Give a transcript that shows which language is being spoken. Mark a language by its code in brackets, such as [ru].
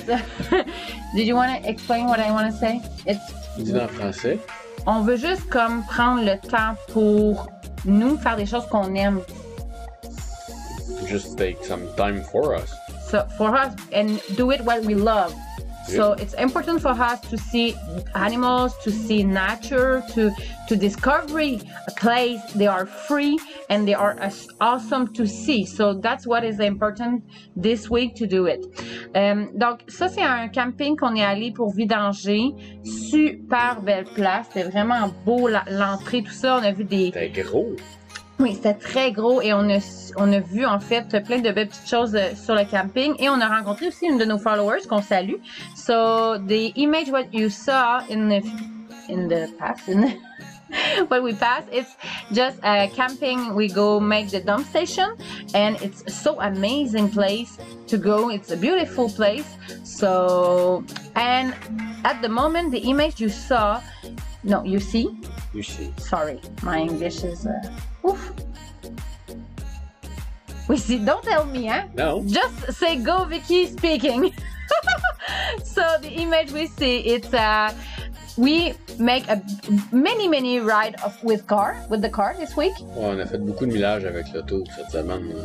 [en] Did you want to explain what I want to say? It's [fr] dis-le en français. On veut juste comme prendre le temps pour nous faire des choses qu'on aime. [en] Just take some time for us. So for us and do it what we love. So it's important for us to see animals, to see nature, to discover a place. They are free and they are awesome to see. So that's what is important this week to do it. [fr] Donc ça c'est un camping qu'on est allé pour vidanger. Super belle place. C'était vraiment beau l'entrée tout ça. On a vu des. C'était gros. Oui, c'était très gros et on a vu en fait plein de belles petites choses sur le camping et on a rencontré aussi une de nos followers qu'on salue. [en] So the image what you saw when we pass, it's just a camping. We go make the dump station and it's so amazing place to go. It's a beautiful place. So and at the moment the image you saw, no, you see. You see. Sorry, my English is. Oof. We see, don't tell me, eh? No. Just say, go Vicky speaking. So the image we see, it's a We make a many ride of with the car this week. [fr] Ouais, on a fait beaucoup de millages avec l'auto cette semaine.